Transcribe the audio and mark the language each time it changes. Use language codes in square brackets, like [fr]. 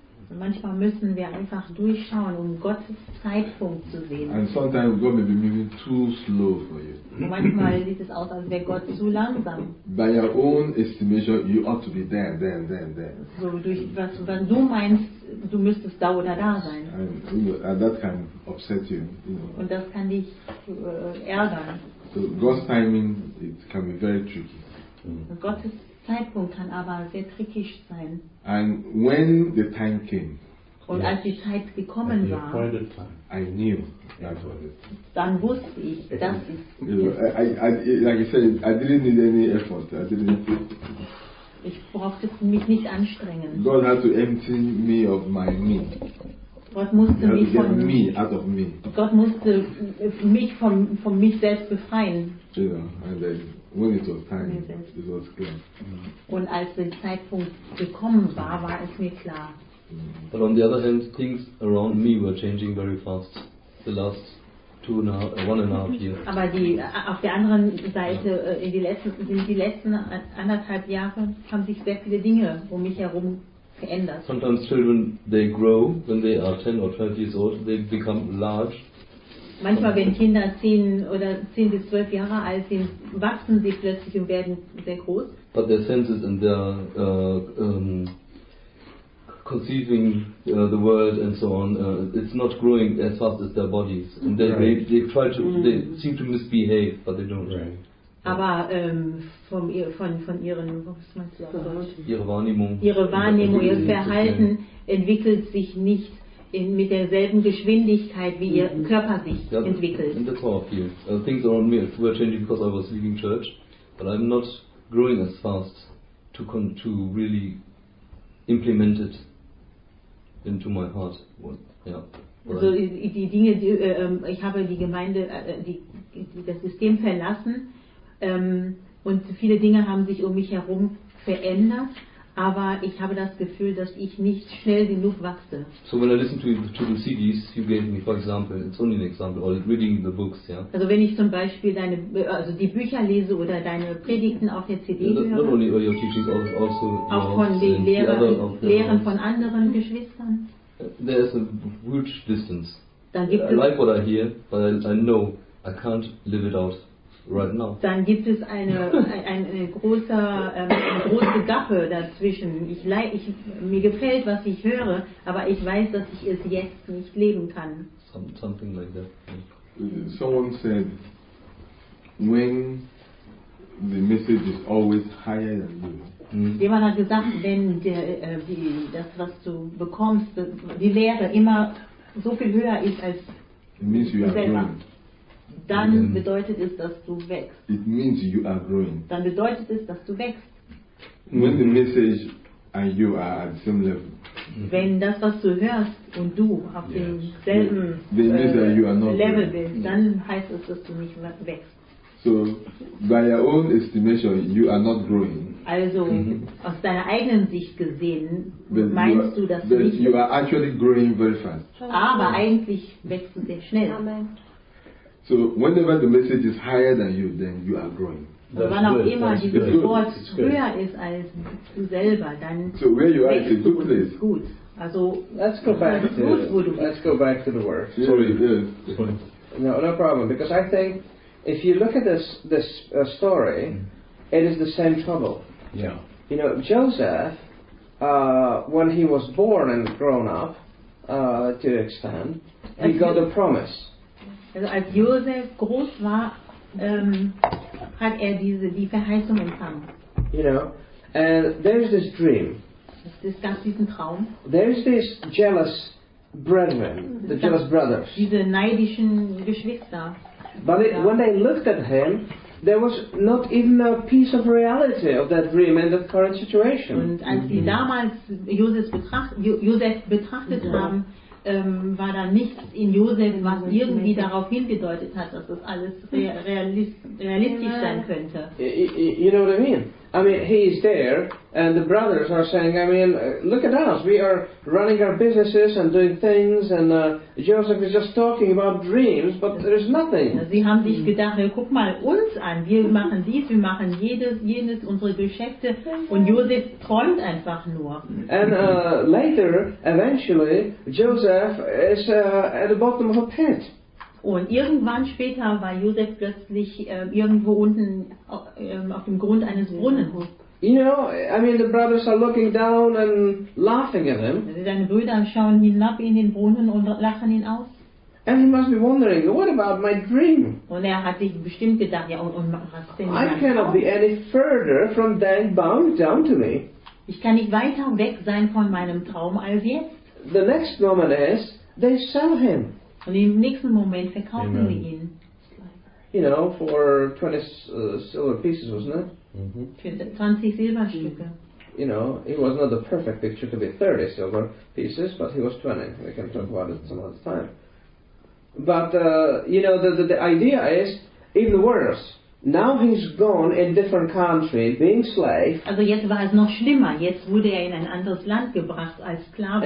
[de] Manchmal müssen wir einfach durchschauen, um Gottes Zeitpunkt zu sehen. [en] And sometimes God may be moving too slow for you. [de] Manchmal sieht es aus, als wäre Gott zu langsam. [en] By your own estimation, you ought to be there, there, there, there. [de] So durch was, wenn du meinst, du müsstest da oder da sein. [en] And that can upset you. [de] Und das kann dich ärgern. [en] So God's timing, it can be very tricky. [de] Gottes Zeitpunkt kann aber sehr trickig sein. [en] And when the time came, [de] und yes, als die Zeit gekommen war, [en] I knew that was it. [de] Dann wusste ich, das ist. [en] Like I said, I didn't need any effort. I didn't. [de] Ich brauchte mich nicht anstrengen. [en] God had to empty me of my me. [de] Gott musste mich von [en] me out of me. [de] Gott musste mich von mich selbst befreien. [en] Yeah, and then when it was time, it was clear. Mm-hmm. [de] Und als der Zeitpunkt gekommen war, war es mir klar. [en] But on the other hand, things around me were changing very fast the last 1.5 years. [de] Aber die auf der anderen Seite in die letzten anderthalb Jahre haben sich sehr viele Dinge um mich herum geändert. [en] Sometimes children, they grow when they are 10 or 12 years old, they become large. Manchmal, wenn Kinder 10 bis 12 Jahre alt sind, wachsen sie plötzlich und werden sehr groß. But their senses and their conceiving the world and so on, it's not growing as fast as their bodies. And they, right, they try to, mm-hmm, they seem to misbehave, but they don't. Right. [de] Aber von ihren, was meinst du, ja, Deutsch? Ihre Wahrnehmung. Ihre Wahrnehmung, ihr Verhalten entwickelt sich nicht mit derselben Geschwindigkeit, wie ihr Körper sich entwickelt. [en] And that's how I feel. Things around me were changing because I was leaving church, but I'm not growing as fast to really implement it into my heart. Yeah. [de] So die Dinge, die, ich habe die Gemeinde, das System verlassen und viele Dinge haben sich um mich herum verändert, aber ich habe das Gefühl, dass ich nicht schnell genug wachse. [en] So when I listen to the CDs you gave me, for example, it's only an example, or reading the books, yeah? [de] Also wenn ich zum Beispiel deine, also die Bücher lese oder deine Predigten auf der CD höre, [en] not only your teachings, also [de] auch von den Lehren von anderen Geschwistern, [en] there is a huge distance. [de] Gibt [en] I like what I hear, but I know I can't live it out right now. [de] Dann gibt es eine große Gaffe dazwischen. Mir gefällt, was ich höre, aber ich weiß, dass ich es jetzt nicht leben kann. [en] Something like that. Someone said, when the message is always higher than you. [de] Jemand hat gesagt, wenn das, was du bekommst, die Lehre immer so viel höher ist als du selber, dann bedeutet es, dass du wächst. [en] It means you are growing. [de] Dann bedeutet es, dass du wächst. [en] When the message and you are at the same level. [de] Wenn das, was du hörst und du auf demselben Level bist, dann heißt es, dass du nicht wächst. [en] So, by your own estimation, you are not growing. [de] Also, aus deiner eigenen Sicht gesehen, meinst du, dass du nicht... [en] You are actually growing very fast. [de] Aber eigentlich wächst du sehr schnell. [en] Amen. So, whenever the message is higher than you, then you are growing. [de] Und wann auch immer dieses Wort höher ist als du selber, dann... [en] So, where you are is a good place. [de] Gut. Also, [en] let's go back to, [de] gut, wo du [en] let's go back to the word. Sorry. No, no problem, because I think... If you look at this story, it is the same trouble. Yeah. You know, Joseph, when he was born and grown up, to an extent, he got a promise. [de] Also als Joseph groß war, hat die Verheißung empfangen. [en] You know, and there's this dream. [de] Es gab diesen Traum. [en] There's this jealous brethren, the jealous brothers. [de] Diese neidischen Geschwister. [en] But when they looked at him, there was not even a piece of reality of that dream in the current situation. [de] Und als sie damals Josef betrachtet haben, war da nichts in Josef, was irgendwie darauf hingedeutet hat, dass das alles realistisch sein könnte. [en] You know what I mean? I mean, he is there, and the brothers are saying, I mean, look at us. We are running our businesses and doing things, and Joseph is just talking about dreams, but there is nothing. [de] Sie haben sich gedacht, guck mal uns an. Wir machen dies, wir machen jenes, unsere Geschäfte, und Josef träumt einfach nur. [en] And later, eventually, Joseph is at the bottom of a pit. [de] Und irgendwann später war Josef plötzlich irgendwo unten auf dem Grund eines Brunnens. [en] You know, I mean, the brothers are looking down and laughing at him. [de] Seine Brüder schauen hinab in den Brunnen und lachen ihn aus. [en] And he must be wondering, what about my dream? [de] Und hat sich bestimmt gedacht, ja, und was denn? [en] I cannot be any further from then bound down to me. [de] Ich kann nicht weiter weg sein von meinem Traum als jetzt. [en] The next moment is, they sell him. [de] Und im nächsten Moment verkaufen wir ihn. [en] You know, for 20 silver pieces, wasn't it? [de] Für 20 Silberstücke. [en] You know, it was not the perfect picture to be 30 silver pieces, but he was 20. We can talk about it some other time. But, you know, the idea is even worse. Now he's gone in a different country, being slave. [de] Also jetzt war es noch schlimmer. Jetzt wurde in ein anderes Land gebracht als Sklave.